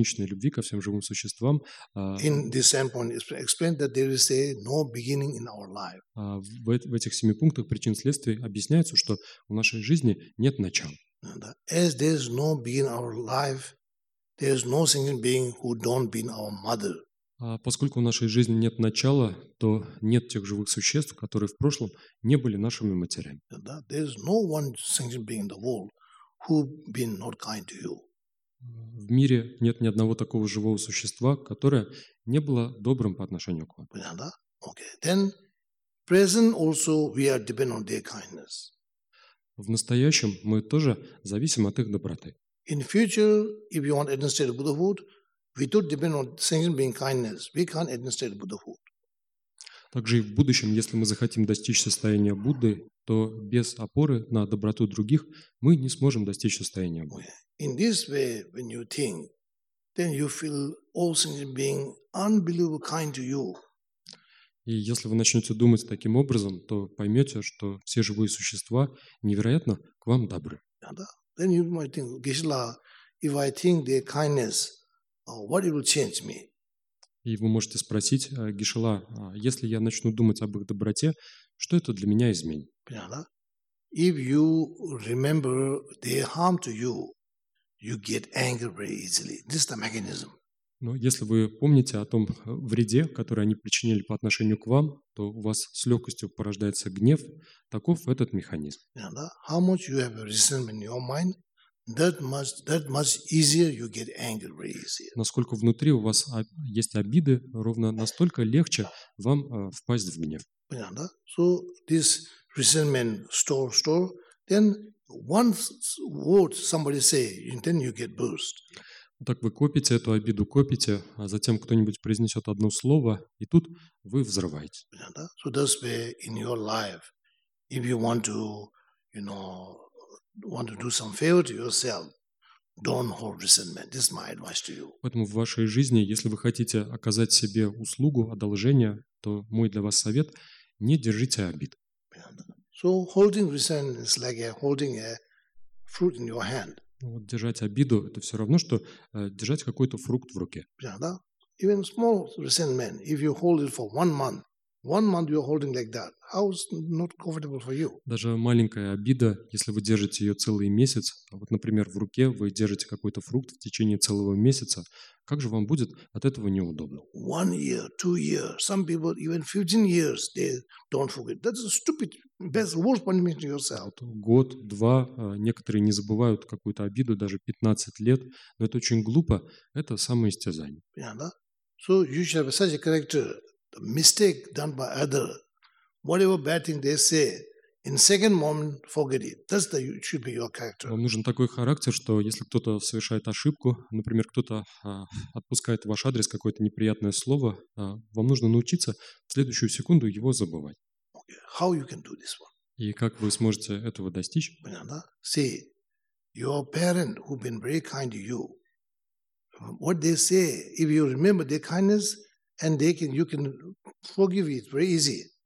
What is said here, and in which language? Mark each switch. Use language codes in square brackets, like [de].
[ru] Причина для любви ко всем живым существам, безграничной любви ко всем живым существам. [en] In this same point, explain that there is no beginning in our life. [ru] В этих семи пунктах причин следствия объясняется, что в нашей жизни нет начала. [en] As there is no beginning in our life, there is no single being who don't be our mother. [ru] Поскольку в нашей жизни нет начала, то нет тех живых существ, которые в прошлом не были нашими матерями. [en] There is no one sentient being in the world who been not kind to you. [ru] В мире нет ни одного такого живого существа, которое не было добрым по отношению к вам. [en] Okay. Then present also we are dependent on their kindness. [ru] В настоящем мы тоже зависим от их доброты. [en] In future, if you want to enter the Buddhahood, we don't depend on sentient being kindness. We can't administer Buddhahood. [ru] Также и в будущем, если мы захотим достичь состояния Будды, то без опоры на доброту других мы не сможем достичь состояния Будды. [en] In this way, when you think, then you feel all sentient being unbelievably kind to you. [ru] И если вы начнете думать таким образом, то поймете, что все живые существа невероятно к вам добры. [en] Then you might think, Geshe-la, if I think their kindness, what it will change me? [ru] И вы можете спросить, Geshe-la, если я начну думать об их доброте, что это для меня изменит? [en] If you remember their harm to you, you get angry very easily. This is the mechanism. [ru] Но если вы помните о том вреде, который они причинили по отношению к вам, то у вас с легкостью порождается гнев. Таков этот механизм. [en] How much you have reason in your mind? That much easier you get angry very easy. [ru] Насколько внутри у вас есть обиды, ровно настолько легче вам впасть в гнев. Понятно? [en] So this resentment store, then once what somebody say, then you get boost. [ru] Так вы копите эту обиду, копите, а затем кто-нибудь произнесет одно слово, и тут вы взрываете. Понятно? [en] So that's where in your life, if you want to, you know, want to do some favor to yourself, don't hold resentment. This is my advice to you. [ru] Поэтому в вашей жизни, если вы хотите оказать себе услугу, одолжение, то мой для вас совет – не держите обид. [en] So holding resentment is like holding a fruit in your hand. [ru] Вот держать обиду – это все равно, что держать какой-то фрукт в руке. [en] Even small resentment, if you hold it for one month you're holding like that. How is not comfortable for you? [ru] Даже маленькая обида, если вы держите ее целый месяц, вот, например, в руке вы держите какой-то фрукт в течение целого месяца, как же вам будет от этого неудобно? [en] 1 year, 2 years, some people even 15 years they don't forget. That's a stupid, best, worst punishment to yourself. [ru] Год, два, некоторые не забывают какую-то обиду даже 15 лет, но это очень глупо, это самоистязание. [en] Yeah, [ru] да? [en] So you should have such a character. The mistake done by other, whatever bad thing they say, in second moment forget it. That's the should be your character. [ru] Вам нужен такой характер, что если кто-то совершает ошибку, например, кто-то отпускает в ваш адрес какое-то неприятное слово, вам нужно научиться в следующую секунду его забывать. [en] Okay. How you can do this one? [ru] И как вы сможете этого достичь? Понятно? [en] See, your parent who been very kind to you. What they say, if you remember their kindness. And they can, you can forgive it very easy.